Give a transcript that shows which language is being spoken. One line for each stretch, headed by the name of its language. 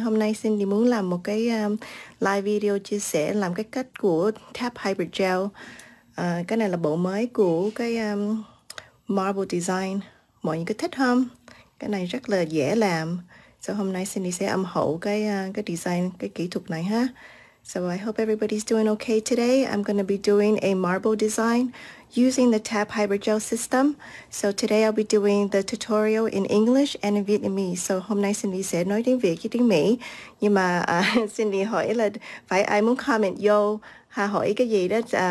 Vietnamese: Hôm nay Cindy muốn làm một cái live video chia sẻ làm cái cách của T.A.P Hypergel. Cái này là bộ mới của cái marble design. Mọi người có thích không? Cái này rất là dễ làm. So hôm nay Cindy sẽ ủng hộ cái design, cái kỹ thuật này ha.
English: So I hope everybody's doing okay today. I'm going to be doing a marble design using the T.A.P Hypergel system. So today I'll be doing the tutorial in English and in Vietnamese.
Vietnamese: So hôm nay Cindy sẽ nói tiếng Việt với tiếng Mỹ. Nhưng mà Cindy hỏi là phải ai muốn comment vô ha, hỏi cái gì đó.